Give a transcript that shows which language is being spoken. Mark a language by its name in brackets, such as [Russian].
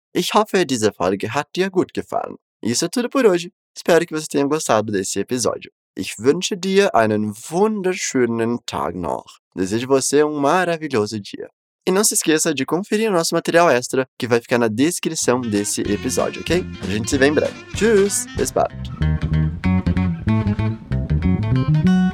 [German] Ich hoffe, diese Folge hat dir gut gefallen. [Portuguese] Isso é tudo por hoje. Espero que você tenha gostado desse episódio. [German] Ich wünsche dir einen wunderschönen Tag noch. [Portuguese] Desejo você um maravilhoso dia. E não se esqueça de conferir o nosso material extra, que vai ficar na descrição desse episódio, ok? A gente se vê em breve. [German] Tschüss! Bis bald! [English] Thank you.